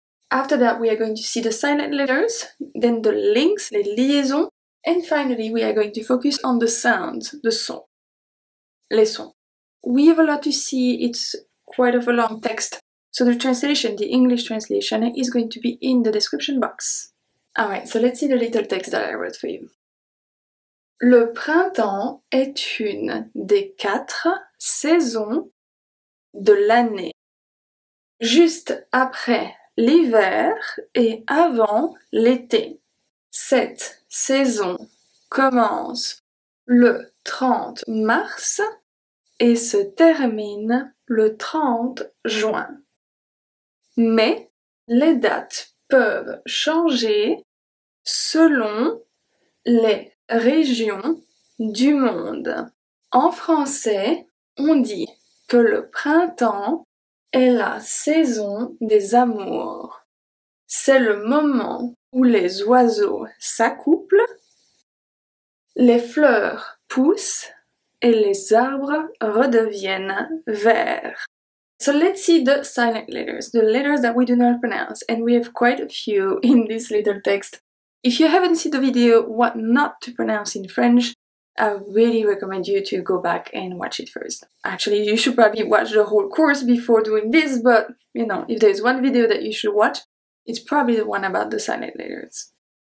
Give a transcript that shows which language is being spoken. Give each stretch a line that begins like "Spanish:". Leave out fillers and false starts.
English: After that, we are going to see the silent letters, then the links,
French: les liaisons,
English: and finally, we are going to focus on the sounds, the son,
French: les sons.
English: We have a lot to see, it's quite of a long text, so the translation, the English translation, is going to be in the description box. Alright, so let's see the little text that I wrote for you.
French: Le printemps est une des quatre saisons de l'année, juste après l'hiver et avant l'été. Cette saison commence le 30 mars et se termine le 30 juin. Mais les dates peuvent changer selon les régions du monde. En français, on dit que le printemps est la saison des amours. C'est le moment où les oiseaux s'accouplent, les fleurs poussent et les arbres redeviennent verts.
English: So let's see the silent letters, the letters that we do not pronounce, and we have quite a few in this little text. If you haven't seen the video, what not to pronounce in French, I really recommend you to go back and watch it first. Actually, you should probably watch the whole course before doing this, but, you know, if there's one video that you should watch, it's probably the one about the silent letters.